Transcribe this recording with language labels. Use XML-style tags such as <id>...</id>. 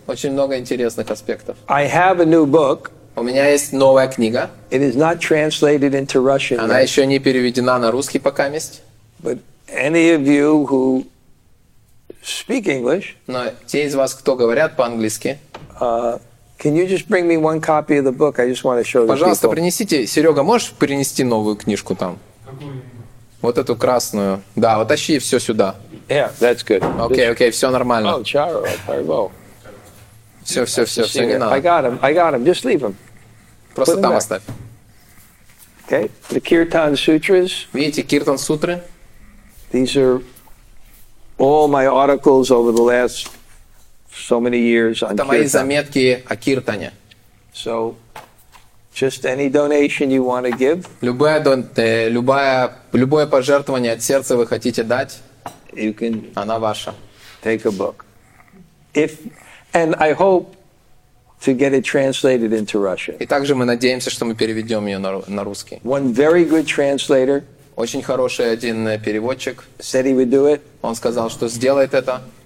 <ru>Очень много интересных аспектов.</ru> <en>I have a new book.</en> <ru>У меня есть новая книга.</ru> <en>It is not translated into Russian.</en> <ru>Она</ru> <en>yet.</en> <ru>Еще не переведена на русский покаместь.</ru> <en>But any of you who speak English,</en> <ru>но те из вас, кто говорят по-английски,</ru> <en>can you just bring me one copy of the book? I just want to show.</en> <ru>Пожалуйста, принесите. Серега, можешь принести новую книжку там? Какую? Вот эту красную. Да, вот тащи все сюда.</ru> <en>Yeah, that's good. Okay, this... okay,</en> <ru>все нормально.</ru> <en>Oh, Charo, Charo.</en> <ru>Все, все, все, все, не надо.</ru> <en>I got him, I got him. Just leave him.</en> <ru>Просто там оставь.</ru> <en>Okay, the Kirtan Sutras.</en> <ru>Видите, Kirtan Sutras.</ru> <en>These are all my articles over the last so many years on Kirtan.</en> <ru>Это мои заметки о Киртане.</ru> <en>So, just any donation you want to give.</en> <ru>Любое пожертвование от сердца вы хотите дать,</ru> <en>you can</en> <ru>она ваша.</ru> <en>Take a book. If, and I hope to get it translated into Russian.</en> <ru>И также мы надеемся, что мы переведем ее на русский.</ru> <en>One very good translator.</en> <ru>Очень хороший один переводчик.</ru> <en>Said he would do it.</en> <ru>Он сказал, что сделает это.</ru>